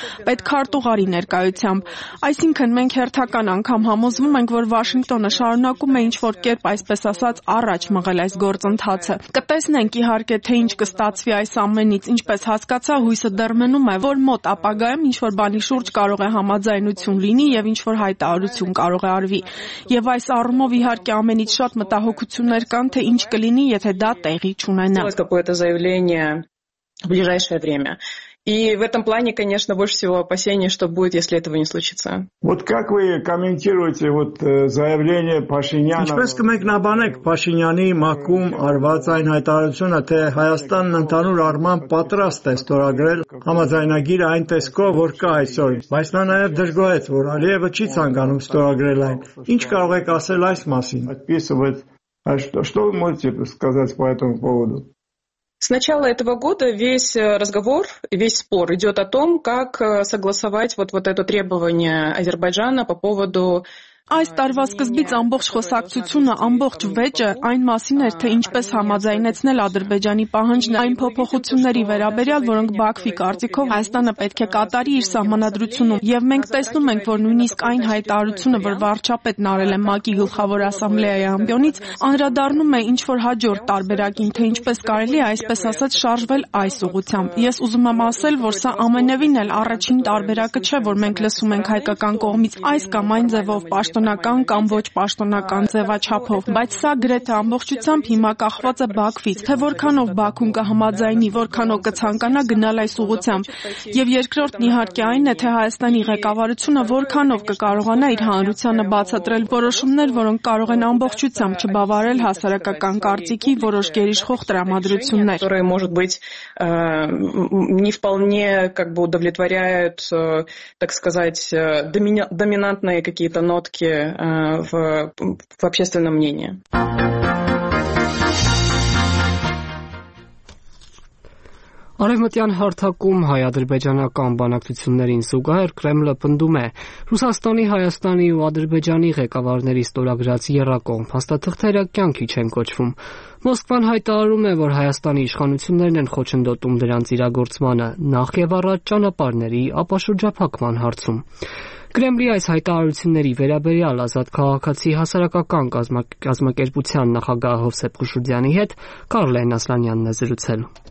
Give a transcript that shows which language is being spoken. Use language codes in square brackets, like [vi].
[hy] պետքարտուղարի ներկայությամբ։ Այսինքն մենք հերթական անգամ համոզվում ենք, որ Վաշինգտոնը շարունակում է ինչ-որ կերպ, այսպես ասած, առաջ մղել այս գործընթացը։ Կտեսնենք իհարկե, թե ինչ կստացվի այս ամենից։ Ինչպես հասկացա, հույսը դեռ մնում է, որ մոտ ապագայում ինչ-որ բանի շուրջ կարող համաձայնություն լինի եւ ինչ որ հայտարարություն կարող է արվի։ Եվ այս առումով իհարկե ամենից շատ մտահոգություններ կան, թե ինչ կլինի, եթե դա տեղի չունենա։ [ru] Вот какое-то заявление в ближайшее время. И в этом плане, конечно, больше всего опасений, что будет, если этого не случится. Вот как вы комментируете вот заявление Пашиняна? [hy] Ինչպես կմեկնաբանեք Փաշինյանի մաքում արված այն հայտարարությունը, թե Հայաստանն ընդհանուր առմամբ պատրաստ է ստորագրել համաձայնագիրը այն տեսքով, որ կա այսօր, բայց նա նաև դժգոհեց, որ Ալիևը չի ցանկանում ստորագրել այն։ Ինչ կարող եք ասել այս մասին? [ru] Что вы можете сказать по этому поводу? С начала этого года весь разговор, весь спор идет о том, как согласовать вот это требование Азербайджана по поводу... [hy] Այս տարվա սկզբից ամբողջ խոսակցությունը, ամբողջ վեճը այն մասին էր, թե ինչպես համաձայնեցնել Ադրբեջանի պահանջն այն փոփոխությունների վերաբերյալ, որոնք Բաքվի կարծիքով Հայաստանը պետք է կատարի իր սահմանադրությունում։ Եվ մենք տեսնում ենք, որ նույնիսկ այն հայտարարությունը, որ վարչապետն արել է ՄԱԿ-ի գլխավոր ասամբլեայի ամբիոնից, անդրադառնում է ինչ որ հաջորդ տարբերակին, թե ինչպես կարելի է, այսպես ասած, շարժվել այս ուղությամբ։ Ես ուզում եմ ասել, որ սա ամենևին էլ առաջին տարբերակը չէ, որ մենք լսում ենք հայկական կողմից այս կամ այն ձևով պաշտոնական կամ ոչ պաշտոնական ձևաչափով, բայց սա գրեթե ամբողջությամբ հիմա կախված է Բաքվից, թե որքանով Բաքուն կհամաձայնի, որքանով կցանկանա գնալ այս ուղությամբ։ Եվ երկրորդն իհարկե այն է, թե Հայաստանի ղեկավարությունը որքանով կկարողանա իր հանրությանը բացատրել որոշումներ, որոնք կարող են ամբողջությամբ չբավարել հասարակական կարծիքի որոշ գերիշխող տրամադրություններ, որը [ru] может быть не вполне как бы удовлетворяют, так сказать, доминантные какие-то нотки в общественном мнении. [hy] Արևմտյան հարթակում հայ-ադրբեջանական բանակցություններին զուգահեռ Կրեմլը պնդում է Ռուսաստանի, Հայաստանի ու Ադրբեջանի ղեկավարների ստորագրած եռակողմ փաստաթղթերը կյանքի չեն կոչվում։ Մոսկվան հայտարարում է, որ Հայաստանի իշխանություններն են խոչընդոտում դրանց իրագործմանը նախ և առաջ ճանապարհների ապաշրջափակման հարցում։ Կրեմլի այս հայտարարությունների վերաբերյալ ազատ քաղաքացի հասարակական կազմակերպության նախագահ Հովսեփ Խուշուրդյանի հետ Կարլ Ենասլանյանն է զրուցել։